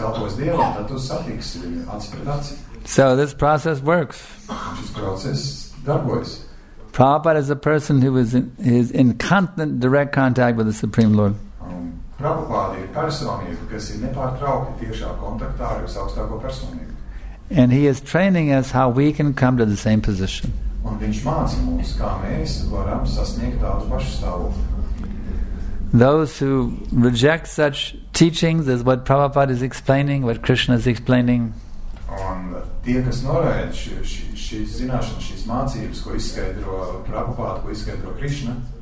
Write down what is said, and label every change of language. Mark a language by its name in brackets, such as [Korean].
[English] So this process works. Prabhupada is a person who is in constant direct contact with the Supreme Lord. [Latvian] Prabhupāda ir personība, kas ir nepārtraukti tiešā kontaktā ar jūsu augstāko personību. [English] And he is training us how we can come to the same position. [Latvian] Un viņš māca mums, kā mēs varam sasniegt tādu pašu stāvokli. [English] Those who reject such teachings is what Prabhupāda is explaining, what Krishna is explaining. [Latvian] Un tie, kas norēd šīs zināšanas, šīs mācības, ko izskaidro Prabhupāda, ko izskaidro Krishna,